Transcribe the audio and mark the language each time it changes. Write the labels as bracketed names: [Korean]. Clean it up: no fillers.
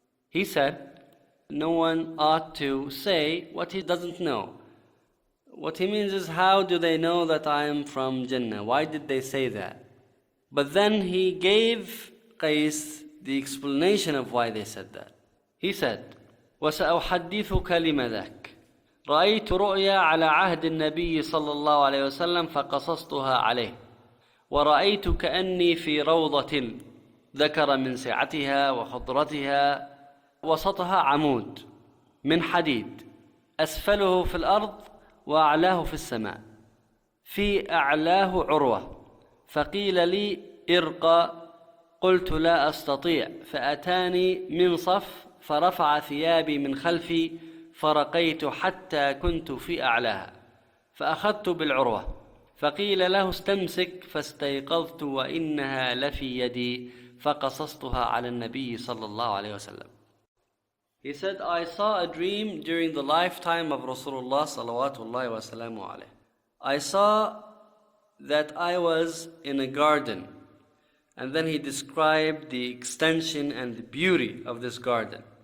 [English] He said, no one ought to say what he doesn't know. What he means is, how do they know that I am from Jannah? Why did they say that? But then he gave Qais the explanation of why they said that. He said, [Arabic] وَسَأُحَدِّثُكَ لِمَذَكَ رَأَيْتُ رُؤْيَا عَلَىٰ عَهْدِ النَّبِيِّ صَلَّى اللَّهُ عَلَيْهِ وَسَلَّمْ فَقَصَصْتُهَا عَلَيْهِ وَرَأَيْتُ كَأَنِّي فِي رَوْضَةٍ ذَكَرَ مِنْ سِعَتِهَا وَخُضْرَتِهَا وَسَطَهَا عَمُودٌ مِنْ حَدِيدٍ أَسْفَلُهُ فِي الْأَرْضِ وَأَعْلَاهُ فِي السَّمَاءِ فِي أَعْلَاهُ عُرْوَةٌ فقيل لي إرقى قلت لا أستطيع فأتاني من صف فرفع ثيابي من خلفي فرقيت حتى كنت في أعلاها فأخذت بالعروة فقيل له استمسك فاستيقظت وإنها لفي يدي فقصصتها على النبي صلى الله عليه وسلم. [English] He said, I saw a dream during the lifetime of Rasulullah [Arabic] صلوات الله وسلامه عليه. [English] I saw that I was in a garden. And then he described the extension and the beauty of this garden.